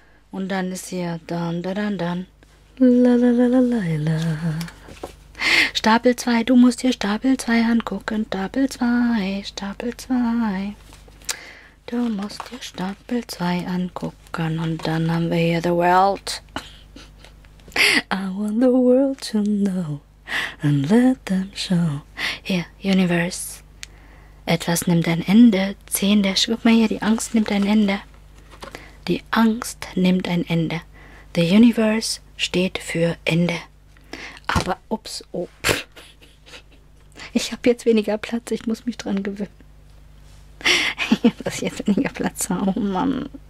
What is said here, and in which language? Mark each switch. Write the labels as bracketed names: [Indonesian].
[German] Und dann ist hier dann, dann, dann, dann. Stapel 2, du musst dir Stapel 2 angucken. Stapel 2, Stapel 2. Du musst dir Stapel 2 angucken. Und dann haben wir hier The World. [English] I want the world to know and let them show. [German] Hier, Universe. Etwas nimmt ein Ende. Zehn der Sch Guck mal hier, die Angst nimmt ein Ende. Die Angst nimmt ein Ende. The Universe steht für Ende. Aber ups, oh. Ich habe jetzt weniger Platz. Ich muss mich dran gewöhnen. Dass ich jetzt weniger Platz habe. Oh Mann.